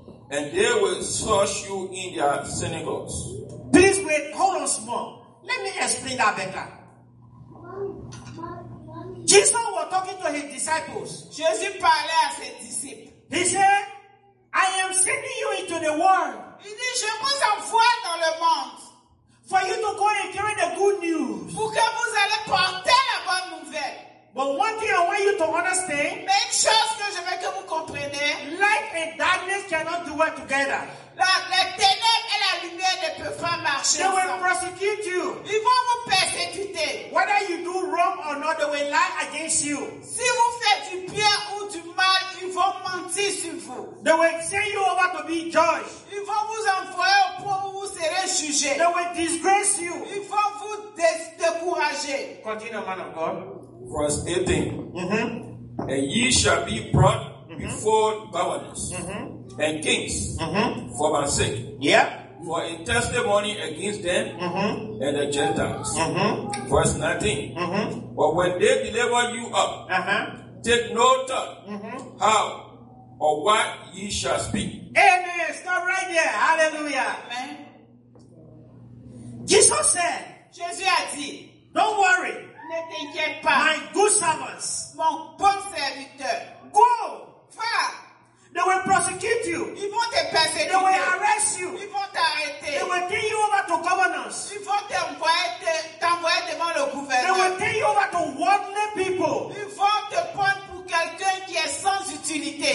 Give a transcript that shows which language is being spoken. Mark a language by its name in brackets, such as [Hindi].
[English] And they will search you in their synagogues. Please wait, hold on small. Let me explain that better. Jesus was talking to his disciples. [French] Jésus parlait à ses disciples. [English] He said, I am sending you into the world. [French] Il dit, je vous envoie dans le monde. [English] For you to go and carry the good news. [French] Pour que vous allez porter la bonne nouvelle. [English] But one thing I want you to understand. [French] Même chose que je veux que vous compreniez. [English] Light and darkness cannot do it together. [French] La ténèbre et la lumière ne peuvent pas marcher. [English] They will prosecute you. [French] Ils vont vous persécuter. [English] Whether you do wrong or not, they will lie against you. [French] Si vous faites du bien ou du mal, ils vont mentir sur vous. [English] They will send you over to be judged. [French] Ils vont vous envoyer pour où vous serez jugé. [English] They will disgrace you. [French] Ils vont vous décourager. [English] Continue, man of God. Verse 18. Mm-hmm. And ye shall be brought before governors and kings for my sake. Yeah. For a testimony against them and the Gentiles. Verse 19. But when they deliver you up, take no thought how or what ye shall speak. Amen. Stop right there. Hallelujah. Amen. Jesus said, Jesus said, don't worry. [French] Ne t'inquiète pas. [English] My good servants. [French] Mon bon serviteur. [English] Go. [French] Va. [English] They will prosecute you. [French] Ils vont te persécuter. [English] They will arrest you. [French] Ils vont t'arrêter. [English] They will turn you over to governors. [French] Ils vont t'envoyer devant le gouverneur. [English] They will turn you over to worldly people. [French] Ils vont te prendre pour quelqu'un qui est sans utilité.